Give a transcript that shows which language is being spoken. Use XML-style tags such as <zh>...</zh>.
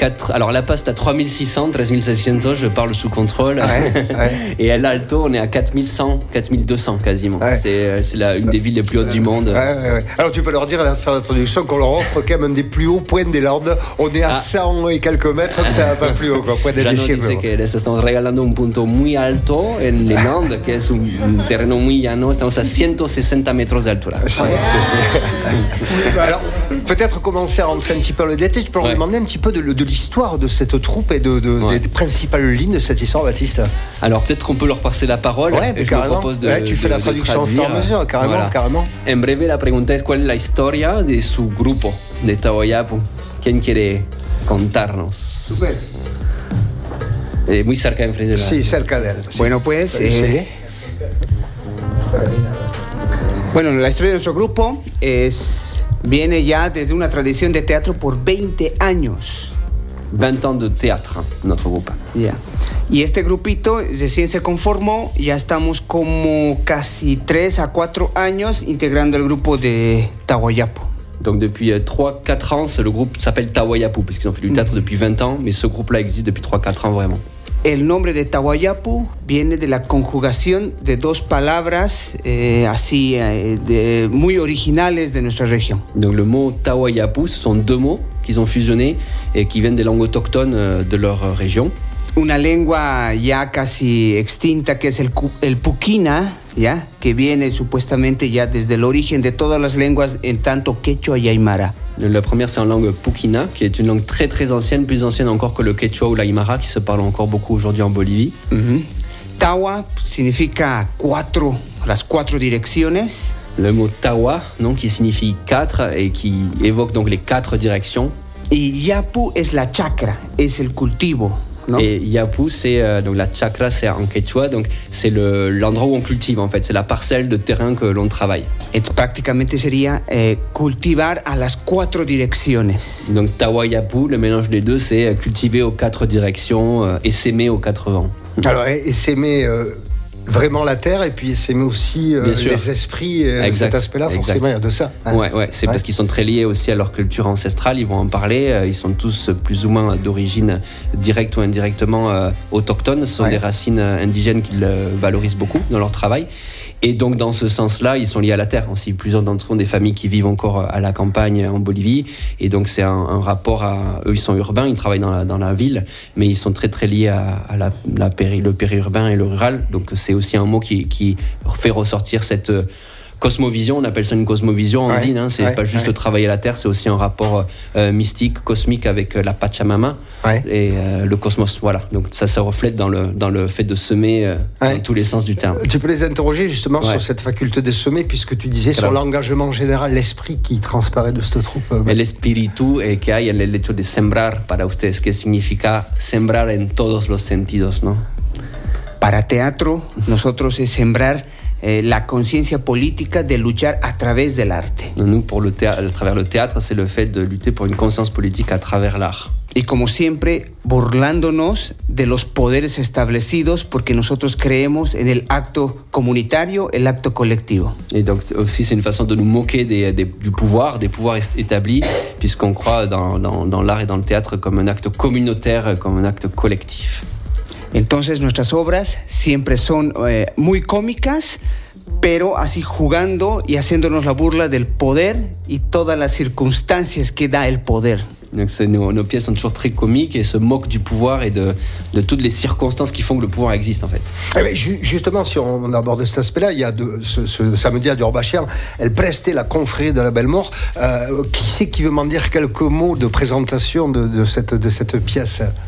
<fr>Alors, La Paz, t'as 3600, je parle sous contrôle. Ouais, ouais. Et El Alto, on est à 4200 quasiment. Ouais. C'est une des villes les plus hautes du monde. Ouais, ouais, ouais. Alors, tu peux leur dire, à la fin de l'introduction, qu'on leur offre quand même un des plus hauts points des Landes. On est à 100 et quelques mètres, que ça va pas plus haut, quoi. Point de c'est que les</fr> <es>estamos regalando un punto muy alto en les Landes,</es> <fr>qui est</fr> <es>un terreno muy llano, estamos a 160 metros de altura.</es> <fr>Alors, peut-être commencer à rentrer un petit peu dans le détail, tu peux leur demander un petit peu de l'histoire de cette troupe et des principales lignes de cette histoire, Baptiste. Alors peut-être qu'on peut leur passer la parole. Ouais, je vous propose de tu fais la traduction traduire. En fur et à mesure, carrément, voilà. Carrément.</fr> <es>En breve, la pregunta es cuál es la historia de su grupo, de Tawayapu. ¿Quién quiere contarnos?</es> <fr>Super.</fr> <es>Muy cerca, en frente de la... Sí, cerca de él. Sí. Bueno, pues... Bueno, la historia de nuestro grupo es... Viene ya desde una tradición de teatro por 20 años.</es> <fr>20 ans de théâtre, notre groupe.</fr> <en>Yeah.</en> <es>Y este grupito recién se conformó, ya estamos como casi 3 a 4 años integrando el grupo de Tahuayapu.</es> <fr>Donc depuis 3-4 ans, le groupe s'appelle Tahuayapu, parce qu'ils ont fait du théâtre depuis 20 ans, mais ce groupe-là existe depuis 3-4 ans vraiment.</fr> <es>El nombre de Tahuayapu viene de la conjugación de dos palabras muy originales de nuestra región.</es> <fr>Donc le mot Tahuayapu, ce sont deux mots qu'ils ont fusionnés et qui viennent des langues autochtones de leur région.</fr> <es>Una lengua ya casi extinta que es el Puquina, ¿ya? Que viene supuestamente ya desde el origen de todas las lenguas en tanto Quechua y Aymara. La primera es en</es> <fr>langue Puquina,</fr> <es>que es una</es> <fr>langue très très ancienne, plus ancienne encore que le Quechua</fr> <es>o la Aymara,</es> <fr>que se parle encore beaucoup aujourd'hui en Bolivie. Mm-hmm.</fr> <es>Tawa significa cuatro, las cuatro direcciones.</es> <fr>Le mot Tawa, ¿no?</fr> <es>Que significa cuatro y que evoca</es> <fr>donc les</fr> <es>cuatro direcciones. Y Yapu es la chakra, es el cultivo.</es> <fr>Non. Et Yapu, c'est donc la chakra, c'est en quechua, donc c'est l'endroit où on cultive en fait, c'est la parcelle de terrain que l'on travaille.</fr> <es>Et prácticamente sería cultivar a las cuatro direcciones.</es> <fr>Donc Tahuayapu, le mélange des deux, c'est cultiver aux quatre directions et s'aimer aux quatre vents. Alors, et s'aimer vraiment la terre et puis s'aimer aussi les esprits, cet aspect-là, forcément, il y a de ça. Ouais, ouais, ouais, c'est parce qu'ils sont très liés aussi à leur culture ancestrale, ils vont en parler, ils sont tous plus ou moins d'origine directe ou indirectement autochtone, ce sont des racines indigènes qu'ils valorisent beaucoup dans leur travail. Et donc, dans ce sens-là, ils sont liés à la terre aussi. Plusieurs d'entre eux ont des familles qui vivent encore à la campagne en Bolivie. Et donc, c'est un rapport à... Eux, ils sont urbains, ils travaillent dans la ville, mais ils sont très, très liés à le périurbain et le rural. Donc, c'est aussi un mot qui fait ressortir cette cosmovision. On appelle ça une cosmovision andine. Hein. C'est pas juste travailler la terre, c'est aussi un rapport mystique, cosmique avec la Pachamama et le cosmos. Voilà. Donc ça reflète dans le fait de semer dans tous les sens du terme. Tu peux les interroger justement sur cette faculté de semer, puisque tu disais sur l'engagement général, l'esprit qui transparaît de cette troupe.</fr> <es>El espíritu es que hay en el hecho de sembrar para ustedes, que significa sembrar en todos los sentidos, ¿no? Para teatro, nosotros es sembrar la conciencia política de luchar a través del arte.</es> <fr>Nous, pour le théâtre, c'est le fait de lutter pour une conscience politique à travers l'art.</fr> <es>Y como siempre, burlándonos de los poderes establecidos, porque nosotros creemos en el acto comunitario, el acto colectivo.</es> <fr>Et donc aussi, c'est une façon de nous moquer des pouvoirs établis, puisqu'on croit dans l'art et dans le théâtre comme un acte communautaire, comme un acte collectif.</fr> <es>Entonces nuestras obras siempre son muy cómicas, pero así jugando y haciéndonos la burla del poder y todas las circunstancias que da el poder.</es> <fr>Nos pièces sont toujours très comiques et se moquent du pouvoir et de toutes les circonstances qui font que le pouvoir existe en fait. Justement, si on aborde cet aspect-là, il y a ce samedi à Durbachère, elle prestait la confrérie de la Belle Mort. Qui c'est qui veut m'en dire quelques mots de présentation de cette pièce?</fr>